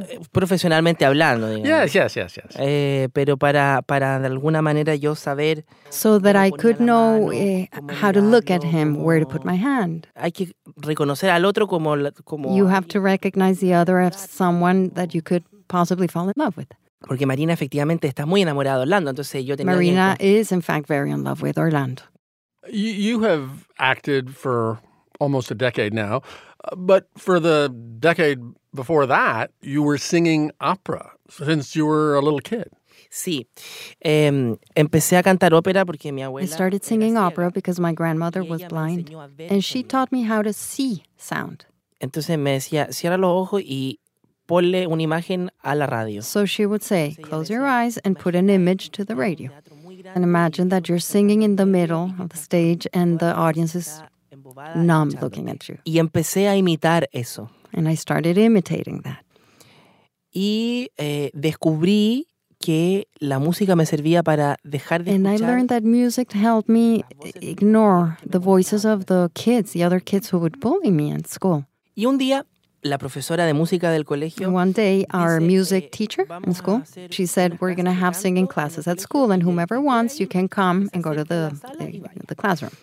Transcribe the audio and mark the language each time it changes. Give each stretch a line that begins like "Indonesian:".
Spanish: Profesionalmente hablando, digamos.
English: Yes.
Spanish: Pero para de alguna manera yo saber...
English: So that I could know how to look at him, where to put my hand.
Spanish: Hay que reconocer al otro como...
English: You have to recognize the other as someone that you could possibly fall in love with.
Spanish: Porque Marina efectivamente está muy enamorada de Orlando, entonces yo tenía Marina que...
English: is in fact very in love with Orlando. You have acted for almost a decade now, but for the decade before that, you were singing opera since you were a little kid.
Spanish: Sí. Empecé a cantar ópera porque mi abuela.
English: I started singing opera because my grandmother was blind, and she taught me how to see sound.
Spanish: Entonces me decía, cierra los ojos y ponle una imagen a la radio.
English: So she would say, close your eyes and put an image to the radio. And imagine that you're singing in the middle of the stage and the audience is numb looking at you.
Spanish: Y empecé a imitar eso.
English: And I started imitating that.
Spanish: Y descubrí que la música me servía para dejar de escuchar.
English: And I learned that music helped me ignore the voices of the kids, the other kids who would bully me in school.
Spanish: Y un día, la profesora de música del colegio.
English: One day, our music teacher in school, she said, we're going to have singing classes at school, and whomever wants, you can come and go to the classroom.